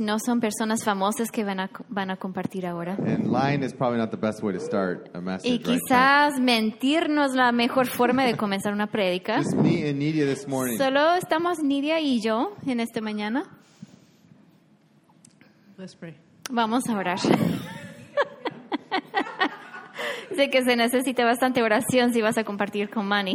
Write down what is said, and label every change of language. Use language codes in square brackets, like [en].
[es] No son personas famosas que van a compartir ahora. [en] And lying is probably not the best way to start a message, [es] y quizás [en] right? [es] Mentir no es la mejor forma de comenzar una prédica. [en] Just me and Nidia this morning. [es] Solo estamos Nidia y yo en esta mañana. [en] Let's pray. [es] Vamos a orar. Sé que se necesita bastante oración si vas a compartir con Manny.